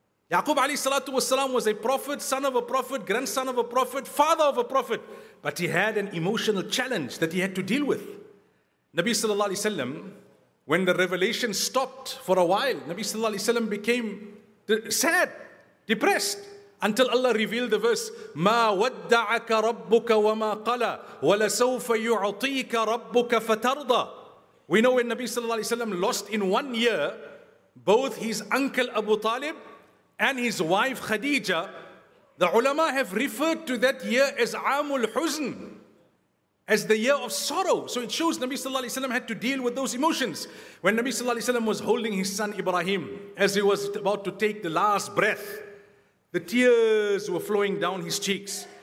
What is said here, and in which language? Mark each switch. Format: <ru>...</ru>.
<en>Yaqub alayhi salatu wasalam was a prophet, son of a prophet, grandson of a prophet, father of a prophet, but he had an emotional challenge that he had to deal with. Nabi sallallahu alayhi wasallam, when the revelation stopped for a while, Nabi sallallahu alayhi wasallam became sad, depressed. until Allah revealed the verse,</en> <ar>مَا وَدَّعَكَ رَبُّكَ وَمَا قَلَى وَلَسَوْفَ يُعْطِيكَ رَبُّكَ فَتَرْضَى.</ar> <en>We know when Nabi Sallallahu Alaihi Wasallam lost in 1 year both his uncle Abu Talib and his wife Khadija, the ulama have referred to that year as Amul Huzn, as the year of sorrow. So it shows Nabi Sallallahu Alaihi Wasallam had to deal with those emotions. When Nabi Sallallahu Alaihi Wasallam was holding his son Ibrahim as he was about to take the last breath, the tears were flowing down his cheeks.</en>